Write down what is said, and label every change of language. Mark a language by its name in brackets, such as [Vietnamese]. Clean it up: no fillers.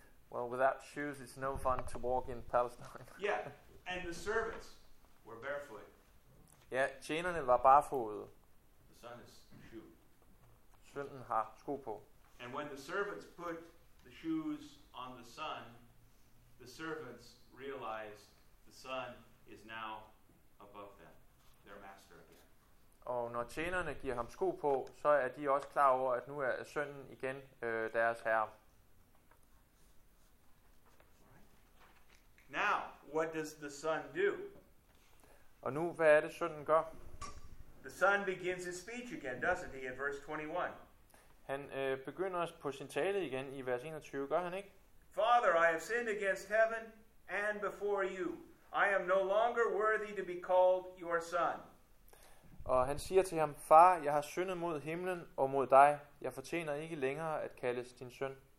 [English] Well, without shoes, it's no fun to walk in Palestine. Yeah, and the servants were barefoot. [Danish] Ja, tjenerne var barefodede. [English] The son is shoe. [Danish] Sønnen har sko på. [English] And when the servants put the shoes on the son, the servants realized the son is now above them, their master again. [Danish] Og når tjenerne giver ham sko på, så er de også klar over, at nu er sønnen igen deres herre. [English] Now, what does the son do? [Danish] Og nu, hvad er det sønnen gør? [English] The son begins his speech again, doesn't he, in verse 21? [Danish] Han begynder også på sin tale igen i vers 21, gør han ikke? [English] Father, I have sinned against heaven and before you. I am no longer worthy to be called your son. [Danish] Og han siger til ham, far, jeg har syndet mod himlen og mod dig. Jeg fortjener ikke længere at kaldes din søn.